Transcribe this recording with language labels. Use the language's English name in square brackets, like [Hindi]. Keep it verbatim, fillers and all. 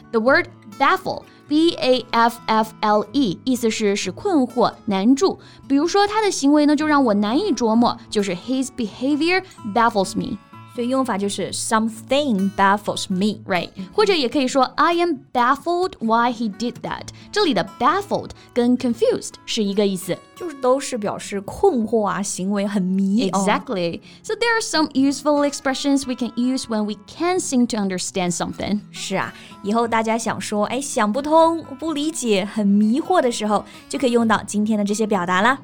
[English] The word baffle. [Chinese] B-A-F-F-L-E 意思是使困惑难住比如说他的行为呢就让我难以琢磨就是 [English] his behavior baffles me [Chinese] 所以用法就是 [English] something baffles me [Chinese] Right 或者也可以说 [English] I am baffled why he did that [Chinese] 这里的 baffled 跟 confused 是一个意思就是都是表示困惑啊行为很迷、哦、 [English] Exactly So there are some useful expressions we can use when we can't seem to understand something [Chinese] 是啊以后大家想说哎，想不通不理解很迷惑的时候就可以用到今天的这些表达啦